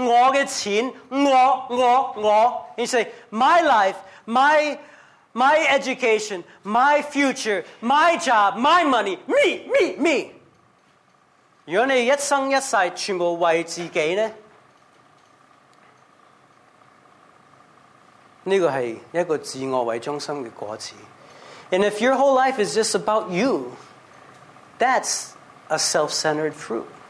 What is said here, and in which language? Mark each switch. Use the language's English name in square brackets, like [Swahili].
[Chinese] 是我的生活，我的前途，我的工作，我的钱，我。 [English] And you say, my life, my education, my future, my job, my money, me. [Chinese] 如果你一生一世全部为自己呢？这个是一个自我为中心的果子. [English] And if your whole life is just about you, that's a self-centered fruit.